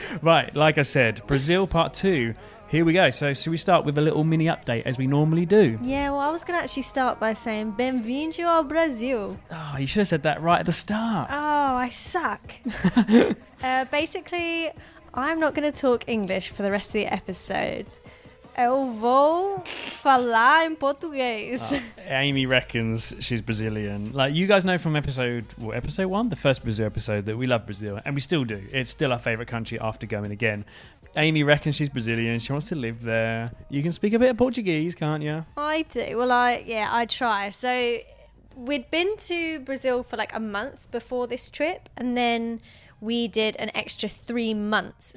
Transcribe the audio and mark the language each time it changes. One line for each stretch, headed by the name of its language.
English: Right, like I said, Brazil part two. Here we go. So should we start with a little mini update as we normally do? Yeah, well, I was going to actually start by saying,
Portuguese: bem-vindo ao Brasil.
English: Oh, you should have said that right at the start. Oh, I suck. Basically, I'm not going to talk English for the rest of the episode.
Portuguese: Eu vou falar em português.
English: Amy reckons she's Brazilian. Like, you guys know from episode one, the first Brazil episode, that we love Brazil, and we still do. It's still our favourite country after going again. Amy reckons she's Brazilian. She wants to live there. You can speak a bit of Portuguese, can't you? I do. Well, I try. So we'd been to Brazil for like a month before this trip, and then we did an extra 3 months.